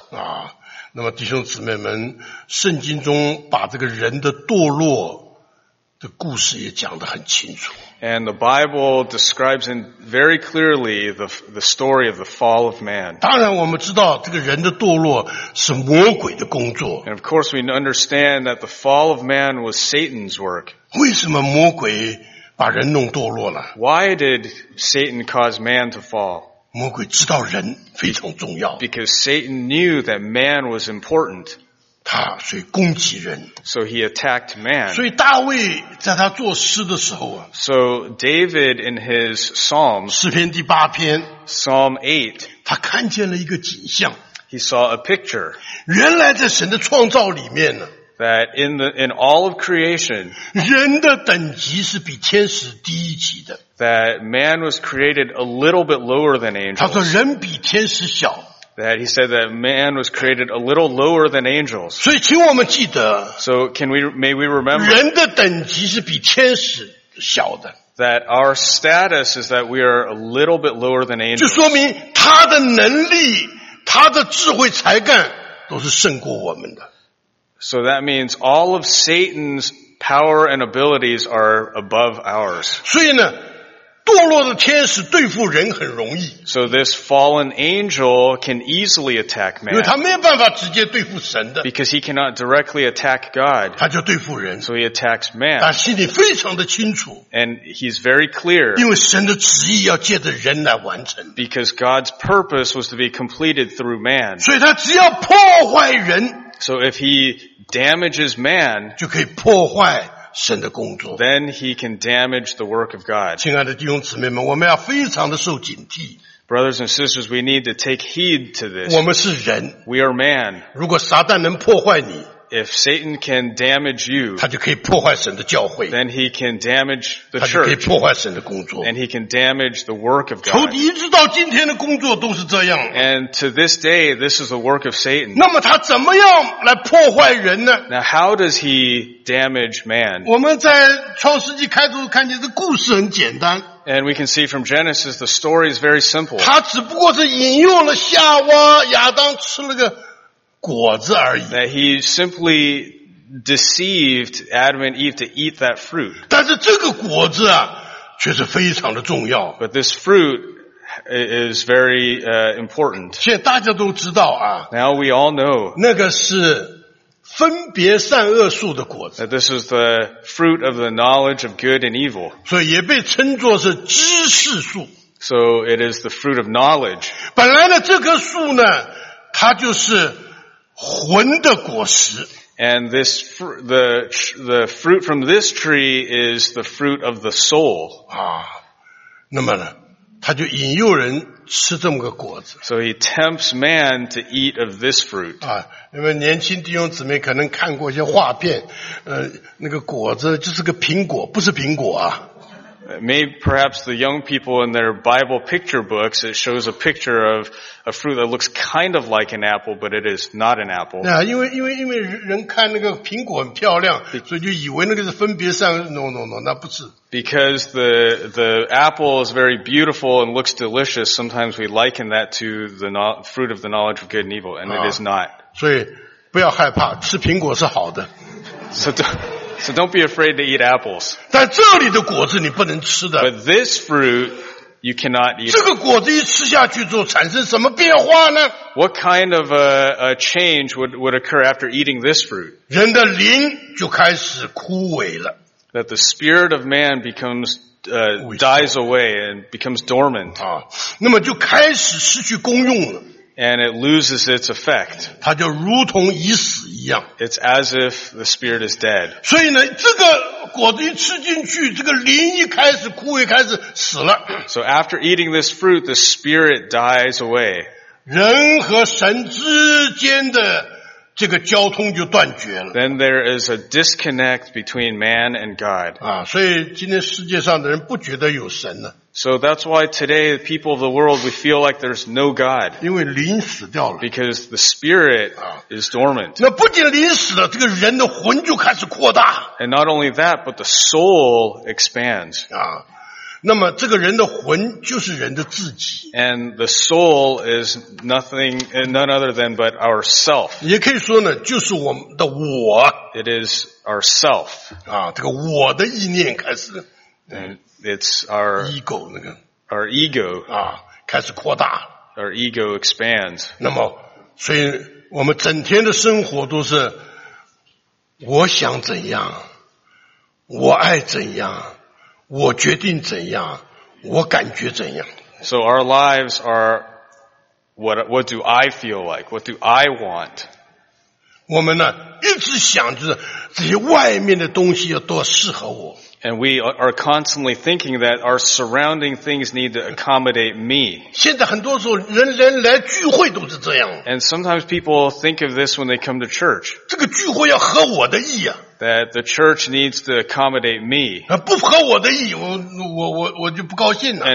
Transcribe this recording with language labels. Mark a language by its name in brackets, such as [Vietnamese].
[Chinese] 啊，那么弟兄姊妹们圣经中把这个人的堕落的故事也讲得很清楚 [English] And the Bible describes in very clearly the story of the fall of man. [Chinese] 当然我们知道这个人的堕落是魔鬼的工作。 [English] And of course we understand that the fall of man was Satan's work. [Chinese] 为什么魔鬼把人弄堕落了。 [English] Why did Satan cause man to fall? [Chinese] 魔鬼知道人非常重要。 [English] Because Satan knew that man was important. [Chinese] 他所以攻击人。 [English] So he attacked man. [Chinese] 所以大卫在他作诗的时候啊。 [English] So David in his Psalm. [Chinese] 诗篇第八篇。 [English] Psalm 8. [Chinese] 他看见了一个景象。 [English] He saw a picture. [Chinese] 原来在神的创造里面呢。 [English] That in all of creation, [Chinese] 人的等级是比天使低一级的。 [English] That man was created a little bit lower than angels. [Chinese] 他说人比天使小。 [English] That he said that man was created a little lower than angels. [Chinese] 所以请我们记得。 [English] So may we remember? [Chinese] 人的等级是比天使小的。 [English] That our status is that we are a little bit lower than angels. [Chinese] 就说明他的能力、他的智慧、才干都是胜过我们的。 [English] So that means all of Satan's power and abilities are above ours. [Chinese] 所以呢，堕落的天使对付人很容易。 [English] So this fallen angel can easily attack man. [Chinese] 因为他没有办法直接对付神的。 [English] Because he cannot directly attack God. [Chinese] 他就对付人。 [English] So he attacks man. [Chinese] 但心里非常的清楚。 [English] And he's very clear. [Chinese] 因为神的旨意要借着人来完成。 [English] Because God's purpose was to be completed through man. [Chinese] 所以他只要破坏人。 [English] So if he damages man, [Chinese] 就可以破坏神的工作。 [English] Then he can damage the work of God. [Chinese] 亲爱的弟兄姊妹们，我们要非常的受警惕。 [English] Brothers and sisters, we need to take heed to this. [Chinese] 我们是人。 [English] We are man. [Chinese] 如果撒旦能破坏你， [English] if Satan can damage you, [Chinese] 他就可以破坏神的教会。 [English] Then he can damage the church. [Chinese] 他就可以破坏神的工作。 [English] And he can damage the work of God. [Chinese] 仇敌一直到今天的工作都是这样。 [English] And to this day, this is the work of Satan. [Chinese] 那么他怎么样来破坏人呢？ [English] Now how does he damage man? [Chinese] 我们在创世纪开头看见的故事很简单。 [English] And we can see from Genesis, the story is very simple. [Chinese] 他只不过是引用了夏娃，亚当吃了个果子而已。 [English] That he simply deceived Adam and Eve to eat that fruit. [Chinese] 但是这个果子啊，却是非常的重要。 [English] But this fruit is very important. [Chinese] 现在大家都知道啊。 [English] Now we all know. [Chinese] 那个是分别善恶树的果子。 [English] That this is the fruit of the knowledge of good and evil. [Chinese] 所以也被称作是知识树。 [English] So it is the fruit of knowledge. [Chinese] 本来呢，这棵树呢，它就是魂的果实。 [English] And this, the fruit from this tree is the fruit of the soul. [Chinese] 啊，那么呢，他就引诱人吃这么个果子。 [English] So he tempts man to eat of this fruit. [Chinese] 啊，那么年轻弟兄姊妹可能看过一些画片，那个果子就是个苹果，不是苹果啊。 [English] Maybe perhaps the young people in their Bible picture books, it shows a picture of a fruit that looks kind of like an apple, but it is not an apple. [Chinese] Yeah, 因为人看那个苹果很漂亮，所以就以为那个是分别善。 No, 那不是。 [English] Because the apple is very beautiful and looks delicious, sometimes we liken that to the fruit of the knowledge of good and evil, and it is not. [Chinese] 所以不要害怕，吃苹果是好的。 [English] So don't be afraid to eat apples. [Chinese] 但这里的果子你不能吃的。 [English] But this fruit you cannot eat. [Chinese] 这个果子一吃下去之后产生什么变化呢？ [English] What kind of a change would occur after eating this fruit? [Chinese] 人的灵就开始枯萎了。 [English] That the spirit of man becomes dies away and becomes dormant. [Chinese] 啊，那么就开始失去功用了。 [English] And it loses its effect. [Chinese] 它就如同已死一样。 [English] It's as if the spirit is dead. [Chinese] 所以呢，这个果子一吃进去，这个灵一开始枯萎，开始死了。 [English] So after eating this fruit, the spirit dies away. [Chinese] 人和神之间的这个交通就断绝了。 [English] Then there is a disconnect between man and God. [Chinese] 啊，所以今天世界上的人不觉得有神了。 [English] So that's why today the people of the world we feel like there's no God. [Chinese] 因为灵死掉了。 [English] Because the spirit is dormant. [Chinese] 那不仅灵死了，这个人的魂就开始扩大。 [English] And not only that, but the soul expands. [Chinese] 啊，那么这个人的魂就是人的自己。 [English] And the soul is nothing, none other than but ourself. [Chinese] 也可以说呢，就是我们的我。 [English] It is ourself. [Chinese] 啊，这个我的意念开始。 [English] It's our [Chinese] ego, 那个 [English] our ego [Chinese] 啊，开始扩大。 [English] Our ego expands. [Chinese] 那么，所以我们整天的生活都是我想怎样，我爱怎样，我决定怎样，我感觉怎样。 [English] So our lives are what do I feel like? What do I want? [Chinese] 我们呢，一直想着这些外面的东西要多适合我。 [English] And we are constantly thinking that our surrounding things need to accommodate me. [Chinese] 现在很多时候人连来聚会都是这样。 [English] And sometimes people think of this when they come to church. [Chinese] 这个聚会要合我的意啊。 [English] That the church needs to accommodate me. [Chinese] 不合我的意，我就不高兴了。